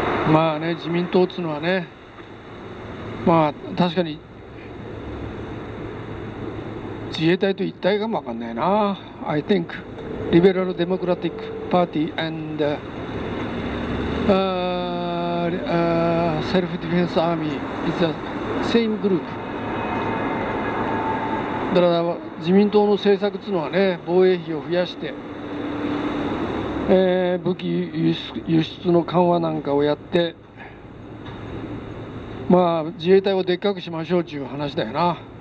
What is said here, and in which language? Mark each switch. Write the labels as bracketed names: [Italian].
[Japanese] まあね、自民党っつうのはね、まあ確かに自衛隊と一体かもわかんないな。 [English] I think Liberal Democratic Party and Self Defense Army is the same group. [Japanese] だから自民党の政策というのはね、防衛費を増やして、武器輸出の緩和なんかをやって、まあ、自衛隊をでっかくしましょうという話だよな。